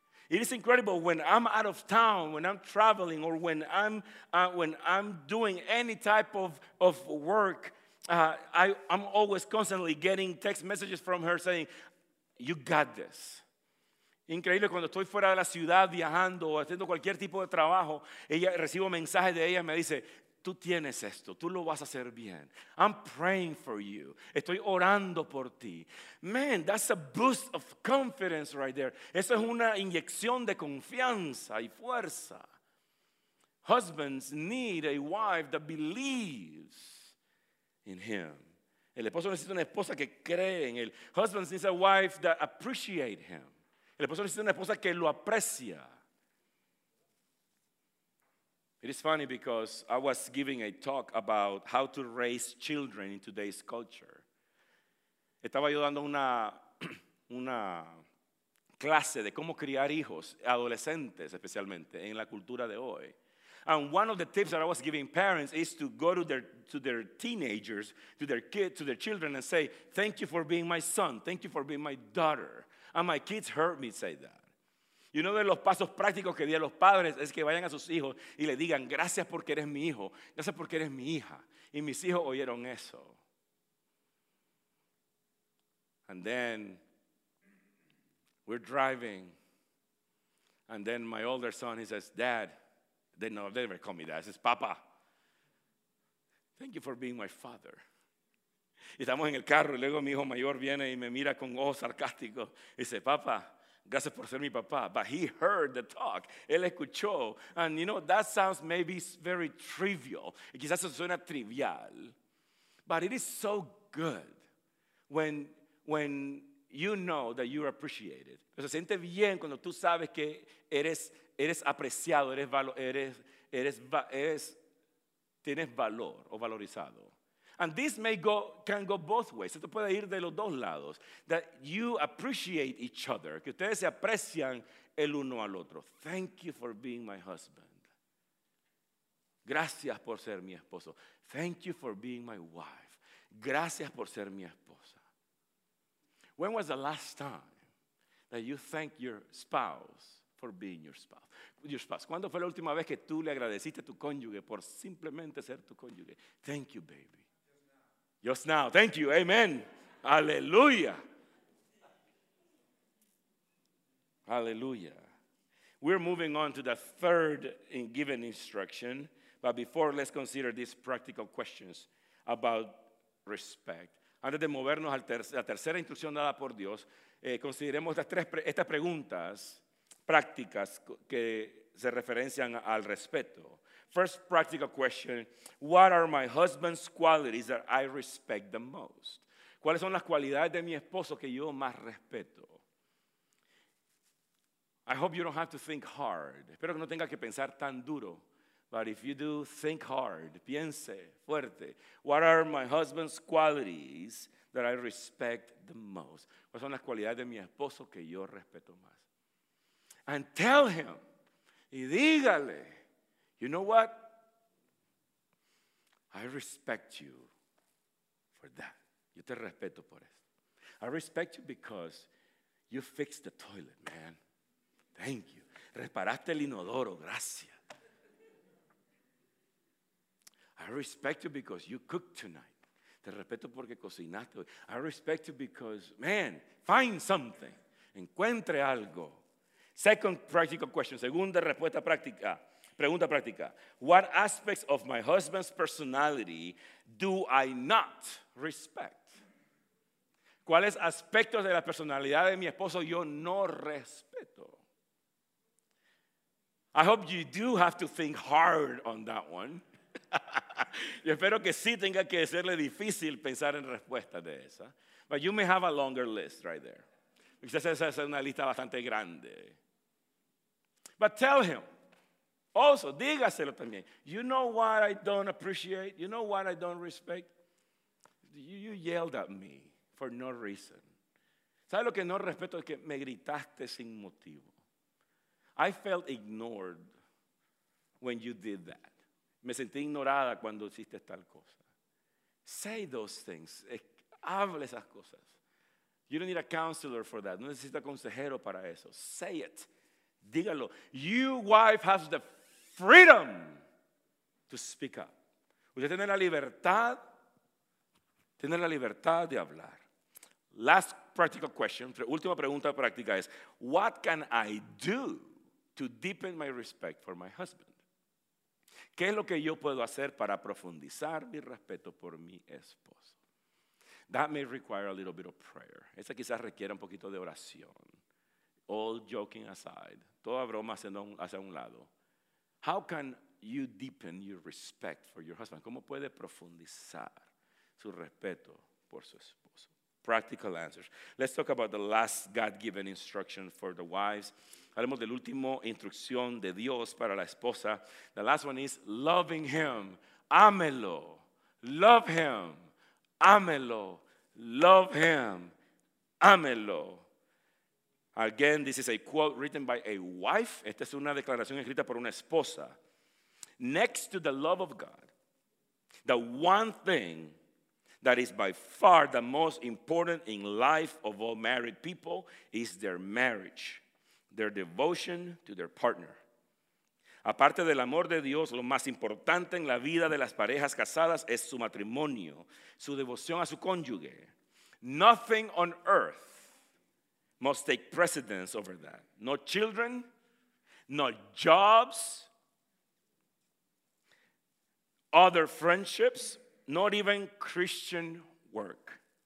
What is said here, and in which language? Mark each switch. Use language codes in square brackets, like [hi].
[en] It is incredible when I'm out of town, when I'm traveling, or when I'm doing any type of work, I'm always constantly getting text messages from her saying, "You got this." [es] Increíble, cuando estoy fuera de la ciudad viajando o haciendo cualquier tipo de trabajo, ella recibo mensajes de ella, me dice, tú tienes esto, tú lo vas a hacer bien. [en] I'm praying for you. [es] Estoy orando por ti. [en] Man, that's a boost of confidence right there. [es] Eso es una inyección de confianza y fuerza. [en] Husbands need a wife that believes in him. [es] El esposo necesita una esposa que cree en él. [en] Husbands need a wife that appreciate him. [es] El esposo necesita una esposa que lo aprecia. [en] It is funny because I was giving a talk about how to raise children in today's culture. [es] Estaba yo dando una clase de cómo criar hijos, adolescentes especialmente, en la cultura de hoy. [en] And one of the tips that I was giving parents is to go to their teenagers, to their kids, to their children and say, thank you for being my son, thank you for being my daughter. And my kids heard me say that. [es] Y uno de los pasos prácticos que di a los padres es que vayan a sus hijos y le digan, gracias porque eres mi hijo, gracias porque eres mi hija. Y mis hijos oyeron eso. [en] And then we're driving. And then my older son, he says, Dad. They never call me dad. He says, Papa, thank you for being my father. [es] Y estamos en el carro y luego mi hijo mayor viene y me mira con ojos sarcásticos y dice, papá, gracias por ser mi papá. [en] But he heard the talk. [es] Él escuchó. [en] And you know, that sounds maybe very trivial. [es] Y quizás eso suena trivial. [en] But it is so good when you know that you are appreciated. [es] Pero se siente bien cuando tú sabes que eres apreciado, tienes valor o valorizado. [en] And this can go both ways. [es] Esto puede ir de los dos lados. [en] That you appreciate each other. [es] Que ustedes se aprecian el uno al otro. [en] Thank you for being my husband. [es] Gracias por ser mi esposo. [en] Thank you for being my wife. [es] Gracias por ser mi esposa. [en] When was the last time that you thanked your spouse for being your spouse? Your spouse. [es] ¿Cuándo fue la última vez que tú le agradeciste a tu cónyuge por simplemente ser tu cónyuge? [en] Thank you, baby. Just now. Thank you. Amen. Aleluya. [es] Aleluya. [en] We're moving on to the third given instruction. But before, let's consider these practical questions about respect. [es] Antes de movernos a la tercera instrucción dada por Dios, consideremos estas preguntas prácticas que se referencian al respeto. [en] First practical question, what are my husband's qualities that I respect the most? [es] ¿Cuáles son las cualidades de mi esposo que yo más respeto? [en] I hope you don't have to think hard. [es] Espero que no tenga que pensar tan duro. [en] But if you do, think hard. [es] Piense fuerte. [en] What are my husband's qualities that I respect the most? [es] ¿Cuáles son las cualidades de mi esposo que yo respeto más? [en] And tell him, [es] y dígale, [en] you know what? I respect you for that. [es] Yo te respeto por eso. [en] I respect you because you fixed the toilet, man. Thank you. [es] Reparaste el inodoro, gracias. [en] I respect you because you cooked tonight. [es] Te respeto porque cocinaste hoy. [en] I respect you because, man, find something. [es] Encuentre algo. [en] Second practical question, [es] segunda respuesta práctica, pregunta práctica. [en] What aspects of my husband's personality do I not respect? [es] ¿Cuáles aspectos de la personalidad de mi esposo yo no respeto? [en] I hope you do have to think hard on that one. [es] Yo espero que sí tenga que serle difícil pensar en respuesta de esa. [en] But you may have a longer list right there. Because [es] esa es una lista bastante grande. [en] But tell him. Also, [es] dígaselo también. [en] You know what I don't appreciate? You know what I don't respect? You yelled at me for no reason. [es] ¿Sabes lo que no respeto? Es que me gritaste sin motivo. [en] I felt ignored when you did that. [es] Me sentí ignorada cuando hiciste tal cosa. [en] Say those things. [es] Hable esas cosas. [en] You don't need a counselor for that. [es] No necesita consejero para eso. [en] Say it. [es] Dígalo. [en] You wife has the freedom to speak up. [es] Usted tiene la libertad. Tiene la libertad de hablar. [en] Last practical question. [es] Última pregunta práctica es, [en] what can I do to deepen my respect for my husband? [es] ¿Qué es lo que yo puedo hacer para profundizar mi respeto por mi esposo? [en] That may require a little bit of prayer. [es] Esa quizás requiera un poquito de oración. [en] All joking aside. [es] Toda broma hacia un lado. [en] How can you deepen your respect for your husband? [es] ¿Cómo puede profundizar su respeto por su esposo? [en] Practical answers. Let's talk about the last God-given instruction for the wives. [es] Hablemos del último instrucción de Dios para la esposa. [en] The last one is loving him. [es] Ámelo. [en] Love him. Ámelo. Love him. [es] Ámelo. [en] Again, this is a quote written by a wife. [es] Esta es una declaración escrita por una esposa. [en] Next to the love of God, the one thing that is by far the most important in life of all married people is their marriage, their devotion to their partner. [es] Aparte del amor de Dios, lo más importante en la vida de las parejas casadas es su matrimonio, su devoción a su cónyuge. [en] Nothing on earth must take precedence over that. No children, no jobs, other friendships, not even Christian work.